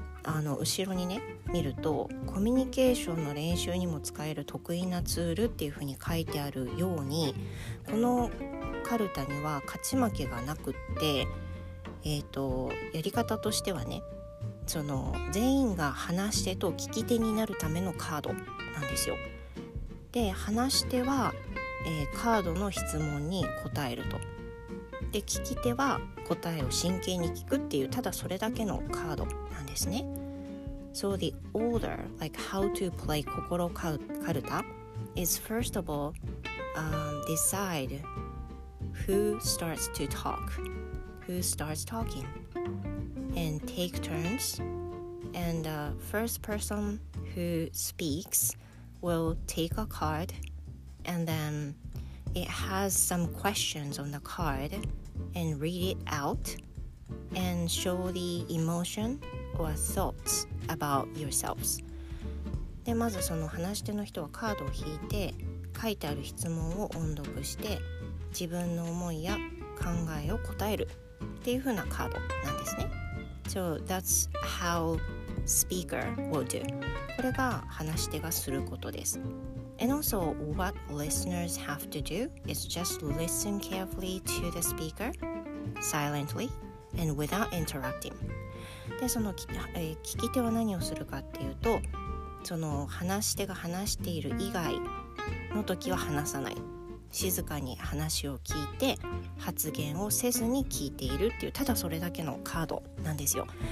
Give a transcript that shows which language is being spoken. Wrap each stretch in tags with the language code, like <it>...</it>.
<ja>あの後ろにね見るとコミュニケーションの練習にも使える得意なツールっていう風に書いてあるように、このカルタには勝ち負けがなくって、やり方としてはね、その全員が話し手と聞き手になるためのカードなんですよ。で、話し手は、カードの質問に答えると、で聞き手は答えを真剣に聞くっていう、ただそれだけのカードなんですね。</ja> <en>So the order, like how to play Kokoro Karuta, is first of all, decide who starts to talk, who starts talking, and take turns. And the first person who speaks will take a card, and then it has some questions on the card, and read it out, and show the emotion. Or thoughts about yourselves.</en> <ja>で、まずその話し手の人はカードを引いて、書いてある質問を音読して、自分の思いや考えを答えるっていう風なカードなんですね。</ja> <en>So that's how speaker will do.</en> <ja>これが話し手がすることです。</ja> <en>And also what listeners have to do is just listen carefully to the speaker silently and without interrupting.</en> <ja>で、その聞き手は何をするかっていうと、その話し手が話している以外の時は話さない、静かに話を聞いて発言をせずに聞いているっていう、ただそれだけのカードなんですよ。</ja>